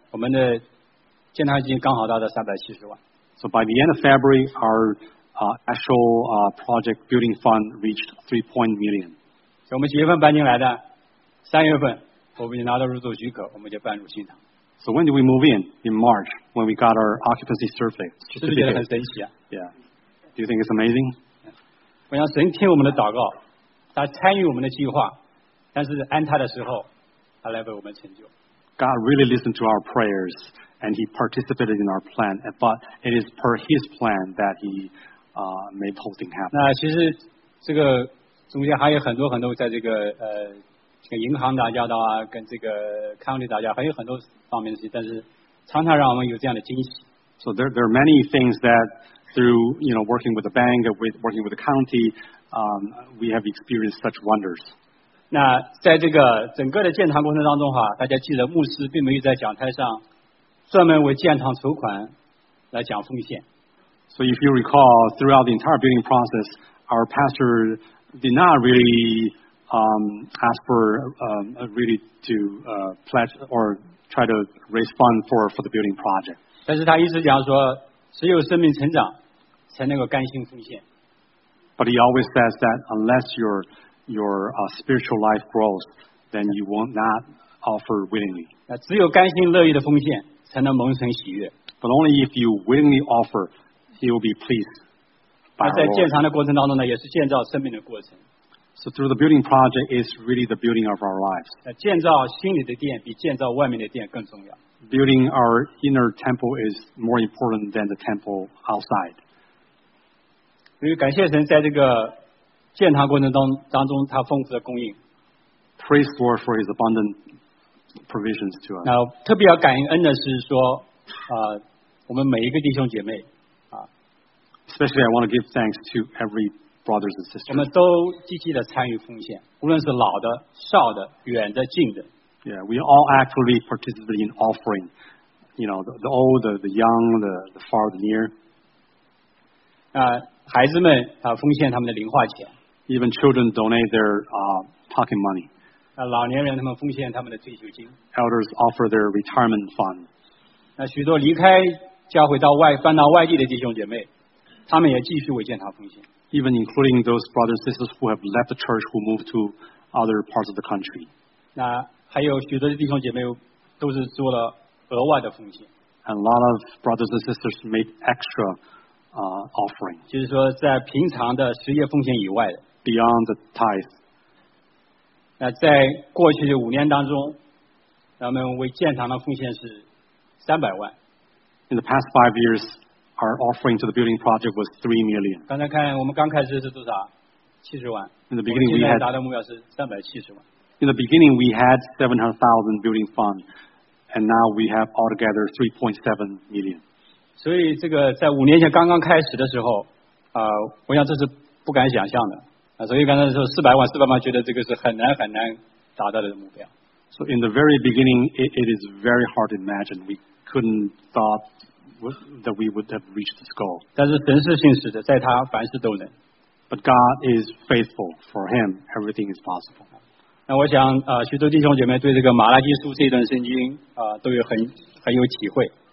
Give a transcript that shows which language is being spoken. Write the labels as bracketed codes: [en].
[zh] 我们的建堂基金刚好达到370万。 [en] So by the end of February, our actual project building fund reached $3 million. [zh] 所以我们9月份搬进来的，3月份我们就拿到入住许可，我们就搬入新堂。 [en] So when did we move in? In March, when we got our occupancy certificate. [zh] 是不是觉得很神奇啊 [en] ？Yeah. Do you think it's amazing? [zh] 我想神听我们的祷告，他参与我们的计划，但是安他的时候，他来为我们成就。 [en] God really listened to our prayers and he participated in our plan, but it is per his plan that he made the whole thing happen. [zh] 那其实这个中间还有很多很多在这个这个银行打交道啊，跟这个 county 打交道，还有很多方面的事情，但是常常让我们有这样的惊喜。 [en] So there are many things that through, you know, working with the bank, with working with the county, we have experienced such wonders. [zh] 那在这个整个的建堂过程当中哈，大家记得牧师并没有在讲台上专门为建堂筹款来讲奉献。 [en] So if you recall, throughout the entire building process, our pastor did not really ask for really to pledge or try to raise funds for the building project. [zh] 但是他一直讲说，只有生命成长才能够甘心奉献。 [en] But he always says that unless your spiritual life grows, then you will not offer willingly. [zh] 那只有甘心乐意的奉献才能蒙神喜悦。 [en] But only if you willingly offer, he will be pleased. [zh] 那在建堂的过程当中呢，也是建造生命的过程。 [en] So through the building project is really the building of our lives. [zh] 那建造心里的殿比建造外面的殿更重要。 [en] Building our inner temple is more important than the temple outside. [zh] 因为感谢神在这个建堂过程当中他丰富的供应。 [en] Praise the Lord for his abundant provisions to us. [zh] 那特别要感恩的是说我们每一个弟兄姐妹 [en] Especially I want to give thanks to every brothers and sisters. [zh] 我们都积极的参与奉献，无论是老的、少的、远的、近的。 [en] Yeah, we all actively participate in offering, you know, the old, the young, the far, the near. [zh] 孩子们奉献他们的零花钱。 [en] Even children donate their pocket money. [zh] 老年人他们奉献他们的退休金。 [en] Elders offer their retirement fund. [zh] 许多离开教会搬到外地的弟兄姐妹，他们也继续为建堂奉献。 [en] Even including those brothers and sisters who have left the church who moved to other parts of the country. [zh] 还有许多的弟兄姐妹都是做了额外的奉献。 [en] And a lot of brothers and sisters made extra offering. [zh] 就是说在平常的实业奉献以外的。 [en] Beyond the tithe. [zh] 在过去的五年当中，他们为建堂的奉献是300万。 [en] In the past 5 years, our offering to the building project was 3 million. [zh] 刚才看我们刚开始是多少？ 70万。 [en] In the beginning, [zh] 我们现在达到目标是370万。 [en] In the beginning, we had 700,000 building fund, and now we have altogether 3.7 million. [zh] 所以这个在五年前刚刚开始的时候，我想这是不敢想象的。所以刚才说400万，觉得这个是很难很难达到的目标。 [en] So in the very beginning, it is very hard to imagine. We couldn't thought that we would have reached this goal. [zh] 但是神是信实的，在他凡事都能。 [en] But God is faithful. For him, everything is possible. [zh] 那我想许多弟兄姐妹对这个马拉基书这段圣经都有很有体会。